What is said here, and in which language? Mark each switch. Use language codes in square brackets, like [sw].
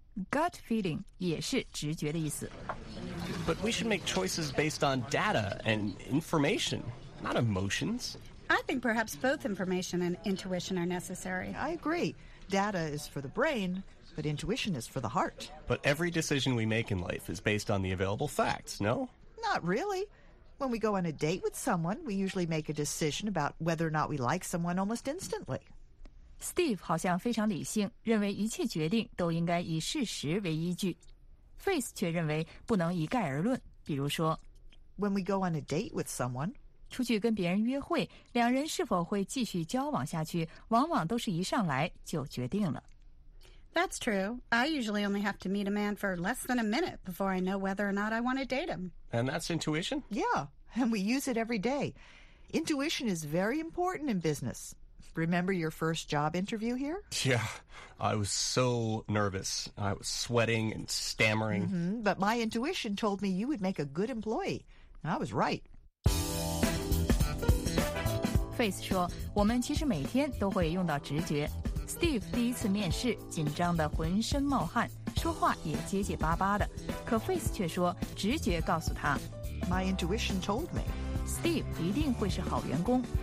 [zh] Gut feeling 也是直觉的意思。 [en] But we should make choices based on data and information, not emotions. I think perhaps both information and intuition are necessary. I agree. Data is for the brain, but intuition is for the heart. But every decision we make in life is based on the available facts, no? Not really. When we go on a date with someone, we usually make a decision about whether or not we like someone almost instantly. [zh] Steve 好像非常理性，认为一切决定都应该以事实为依据。 Faith 却认为不能一概而论，比如说 [en] When we go on a date with someone, [zh] 出去跟别人约会，两人是否会继续交往下去，往往都是一上来就决定了。 [en] That's true. I usually only have to meet a man for less than a minute before I know whether or not I want to date him. And that's intuition? Yeah, and we use it every day. Intuition is very important in business. Remember your first job interview here? Yeah, I was so nervous. I was sweating and stammering. Mm-hmm. But my intuition told me you would make a good employee. And I was right. [zh] Faith 说，我们其实每天都会用到直觉。 Steve 第一次面试，紧张得浑身冒汗，说话也结结巴巴的。可 Face 却说，直觉告诉他 [en] ，My intuition told me [zh] Steve 一定会是好员工。